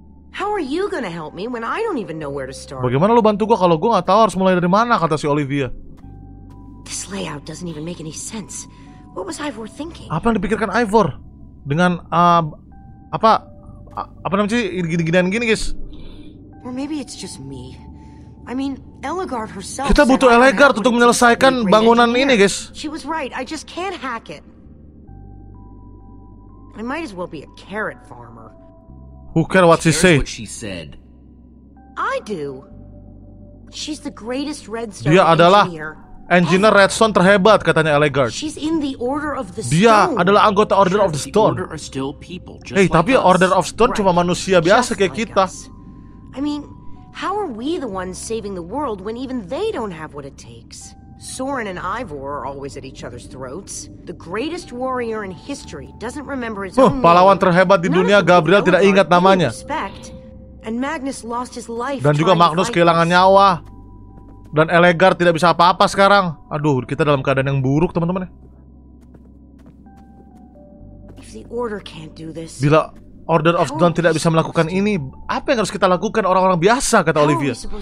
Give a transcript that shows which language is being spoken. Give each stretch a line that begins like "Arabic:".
English: How are you gonna help me when I don't even know where to start?
Indonesian: Bagaimana lo bantu gue kalau gue nggak tahu harus mulai dari mana? Kata si Olivia.
English: This layout doesn't even make any sense. What was Ivor thinking?
Indonesian: Apa yang dipikirkan Ivor dengan apa namanya gini-ginian gini, guys?
English: Or maybe it's just me. I mean, Elagard herself.
Indonesian: Kita butuh Elagard untuk menyelesaikan bangunan ini, guys.
English: She was right. I just can't hack it. I might as well be a carrot farmer. Who cares what she said? I do. She's the greatest redstone.
Indonesian: Dia adalah engineer redstone terhebat, katanya Elagard.
English: She's in the Order of the Stone.
Indonesian: Dia adalah anggota Order of the Stone. Hey, tapi Order of Stone cuma manusia biasa kayak kita.
English: I mean, how are we the ones saving the world when even they don't have what it takes? Soren and Ivor are always at each other's throats. The greatest warrior in history doesn't remember his own name.
Indonesian: Pahlawan terhebat di dunia, Gabriel tidak ingat namanya.
English: And Magnus lost his life.
Indonesian: Dan juga Magnus kehilangan nyawa. Dan Elagard tidak bisa apa-apa sekarang. Aduh, kita dalam keadaan yang buruk, teman-teman.
English: If the order can't do this.
Indonesian: Bila Order of Dawn tidak bisa melakukan ini, apa yang harus kita lakukan orang-orang biasa, kata Olivia?